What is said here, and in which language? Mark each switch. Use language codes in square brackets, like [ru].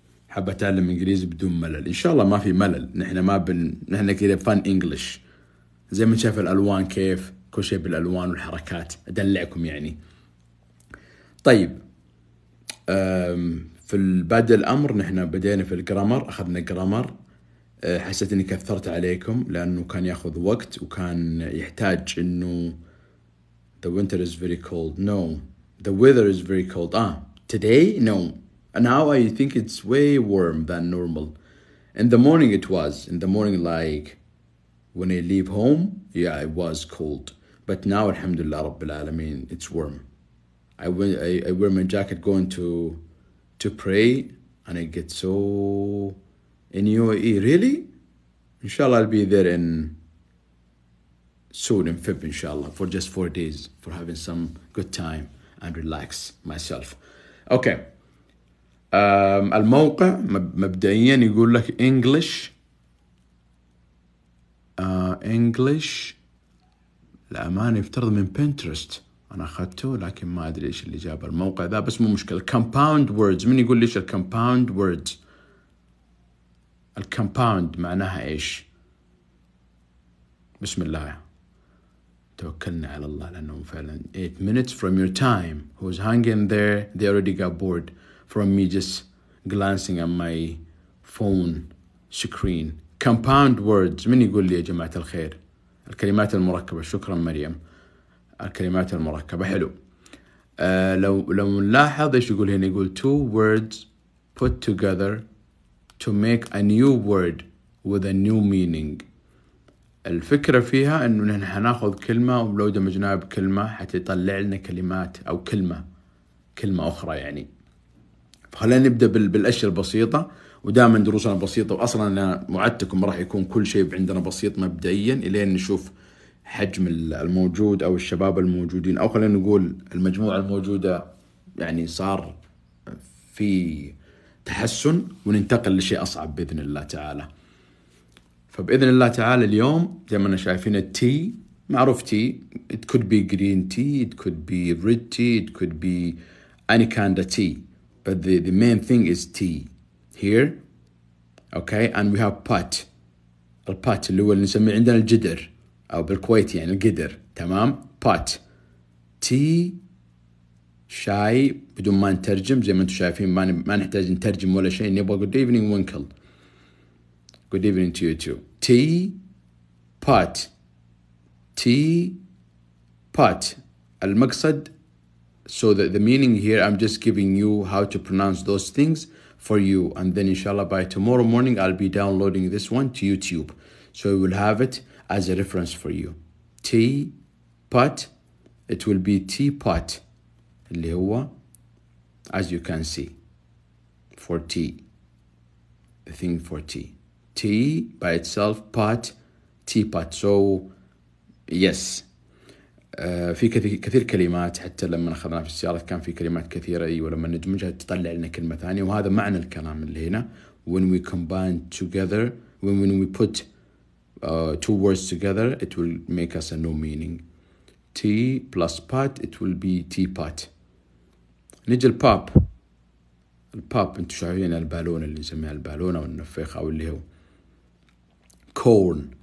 [ar] حابة أتعلم إنجليزي بدون ملل إن شاء الله. ما في ملل, نحن ما بن نحن كده فان إنجليش, زي ما شاف الألوان كيف كل شيء بالألوان والحركات أدلعكم يعني. طيب في بعد الأمر نحن بدينا في الجرامر, أخذنا جرامر. حسيت إني كثرت عليكم لأنه كان يأخذ وقت وكان يحتاج إنه [en] the winter is very cold. No, the weather is very cold. Today? No. Now I think it's way warm than normal. In the morning it was. In the morning, like, when I leave home, yeah, it was cold. But now, alhamdulillah, rabbil alameen, it's warm. I wear my jacket going to pray, and I get so in UAE. Really? Inshallah, I'll be there in soon, in Feb, inshallah, for just 4 days, for having some good time. And relax myself. Okay. [ar] الموقع مبدئيا يقول لك English. [en] English. [ar] الأمان يفترض من Pinterest. أنا أخذته لكن ما أدري إيش اللي جاب الموقع ذا, بس مو مشكلة. [en] Compound words. [ar] من يقول ليش compound words؟ compound معناها إيش؟ بسم الله. توكلنا على الله لأنه فعلا [en] 8 minutes from your time. Who's hanging there? They already got bored from me just glancing at my phone screen. Compound words. [ar] من يقول لي يا جماعة الخير الكلمات المركبة؟ شكرا مريم. الكلمات المركبة حلو. لو نلاحظ إيش يقول هنا, يقول [en] two words put together to make a new word with a new meaning. [ar] الفكرة فيها أنه نحن هناخذ كلمة ولو دمجناها بكلمة حتطلع لنا كلمات أو كلمة أخرى يعني. فخلينا نبدأ بالأشياء البسيطة, ودائما دروسنا بسيطة, وأصلا أنا وعدتكم راح يكون كل شيء عندنا بسيط مبدئيا إلين نشوف حجم الموجود أو الشباب الموجودين, أو خلينا نقول المجموعة الموجودة يعني صار في تحسن, وننتقل لشيء أصعب بإذن الله تعالى. فبإذن الله تعالى اليوم زي ما أنا شايفين التي معروف, تي [en] it could be green tea, it could be red tea, it could be any kind of tea, but the main thing is tea here. Okay, and we have pot. [ar] البوت اللي هو اللي نسميه عندنا الجدر أو بالكويت يعني القدر, تمام. pot, tea, شاي بدون ما نترجم زي ما انتم شايفين، ما نحتاج نترجم ولا شيء. نبغى [en] good evening winkle، good evening to you too. tea pot، tea pot. [ar] المقصد [en] so that the meaning here I'm just giving you how to pronounce those things for you, and then inshallah by tomorrow morning I'll be downloading this one to YouTube so you will have it as a reference for you. tea pot, it will be teapot [ar] اللي هو [en] as you can see for tea, the thing for tea. tea by itself, pot, teapot. So yes, [ar] في كثير كلمات، حتى لما أخذنا في السيارة كان في كلمات كثيرة، ولما ندمجها تطلع لنا كلمة ثانية، وهذا معنى الكلام اللي هنا. [en] when we combine together, when we put two words together, it will make us a new meaning. tea plus pot, it will be teapot. [ar] نجي الباب. الباب انتو شايفين البالون اللي نسميها البالونة والنفخة او اللي هو corn.